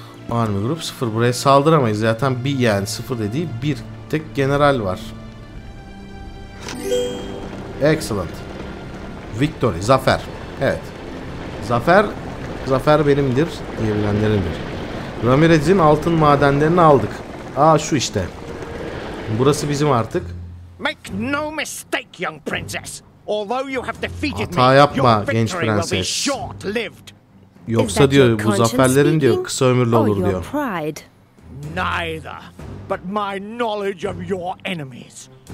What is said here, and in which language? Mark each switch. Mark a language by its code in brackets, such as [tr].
[en] Army Group 0. [tr] Buraya saldıramayız. Zaten bir yani 0 dediği bir tek general var. [en] Excellent. Victory. [tr] Zafer. Evet. Zafer... Zafer benimdir diyebilenlerindir. Ramirez'in altın madenlerini aldık. Aa şu işte. Burası bizim artık. [en] Make no mistake, young princess. Although you have defeated [tr] me, yapma genç prenses. Yoksa diyor bu zaferlerin diyor kısa ömürlü olur diyor. [en] Neither. But my knowledge of your enemies.